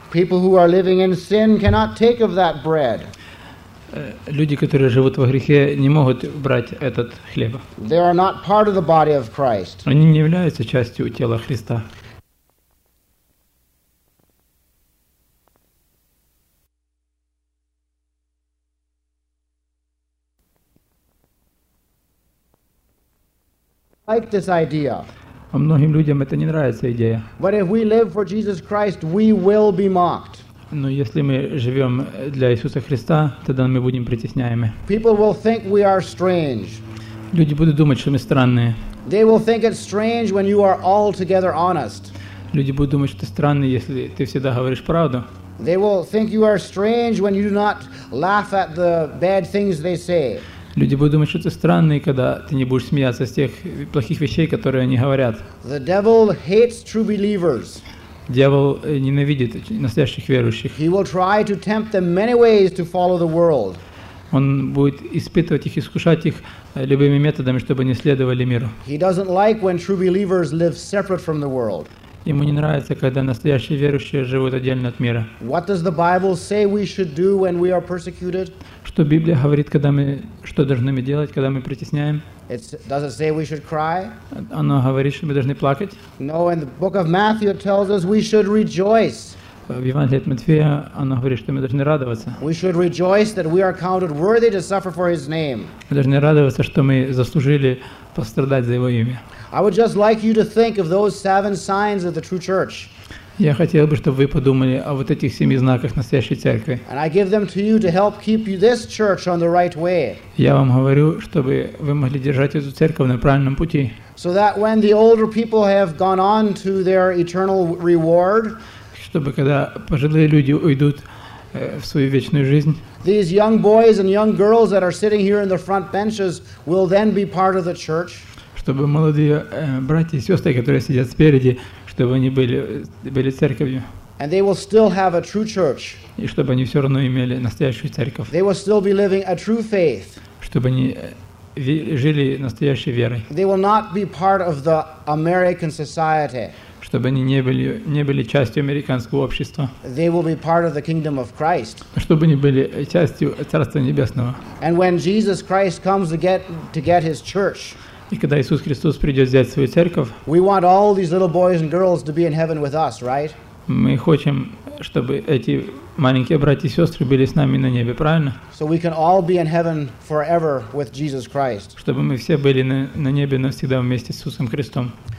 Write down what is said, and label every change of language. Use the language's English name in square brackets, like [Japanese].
[English] People who are living in sin cannot take of that bread. [Russian] Люди, которые живут во грехе, не могут брать этот хлеб. [English] They are not part of the body of Christ. [Russian] Они не являются частью тела Христа. [English] I like this idea. [Russian] А многим людям это не нравится идея. [English] But if we live for Jesus Christ, we will be mocked. [Russian] Но если мы живем для Иисуса Христа, тогда мы будем притесняемы. [English] People will think we are strange. [Russian] Люди будут думать, что мы странные. [English] They will think it's strange when you are altogether honest. [Russian] Люди будут думать, что ты странный, если ты всегда говоришь правду. [English] They will think you are strange when you do not laugh at the bad things they say. [Russian] Люди будут думать, что ты странный, когда ты не будешь смеяться с тех плохих вещей, которые они говорят. [English] The devil hates true believers. [Russian] Дьявол ненавидит настоящих верующих. [English] He will try to tempt them many ways to follow the world. [Russian] Он будет испытывать их, искушать их любыми методами, чтобы они следовали миру. [English] He doesn't like when true believers live separate from the world. [Russian] Ему не нравится, когда настоящие верующие живут отдельно от мира. [English] What does the Bible say we should do when we are persecuted? [Russian] Что Библия говорит, когда мы что должны мы делать, когда мы притесняем? [English] Does it say we should cry? [Russian] Оно говорит, что мы должны плакать? [English] No, in the book of Matthew it tells us we should rejoice. [Russian] В Евангелии от Матфея оно говорит, что мы должны радоваться. [English] We should rejoice that we are counted worthy to suffer for His name. [Russian] Мы должны радоваться, что мы заслужили пострадать за Его имя. [English] I would just like you to think of those seven signs of the true church. [Russian] Я хотел бы, чтобы вы подумали о вот этих семи знаках настоящей церкви. [English] And I give them to you to help keep you this church on the right way. [Russian] Я вам говорю, чтобы вы могли держать эту церковь на правильном пути. [English] So that when the older people have gone on to their eternal reward, [Russian] чтобы когда пожилые люди уйдут в свою вечную жизнь, [English] these young boys and young girls that are sitting here in the front benches will then be part of the church. [Russian] Чтобы молодые братья и сестры, которые сидят спереди, чтобы они были церковью. [English] And they will still have a true church. [Russian] И чтобы они все равно имели настоящую церковь. [English] They will still be living a true faith. [Russian] Чтобы они жили настоящей верой. [English] They will not be part of the American society. [Russian] Чтобы они не были частью американского общества. [English] They will be part of the kingdom of Christ. [Russian] Чтобы они были частью Царства Небесного. [English] And when Jesus Christ comes to get his church, [Russian] и когда Иисус Христос придет взять свою церковь, [English] we want all these little boys and girls to be in heaven with us, right? [Russian] Мы хотим, чтобы эти маленькие братья и сестры были с нами на небе, правильно? [English] So we can all be in heaven forever with Jesus Christ. [Russian] Чтобы мы все были на небе навсегда вместе с Иисусом Христом.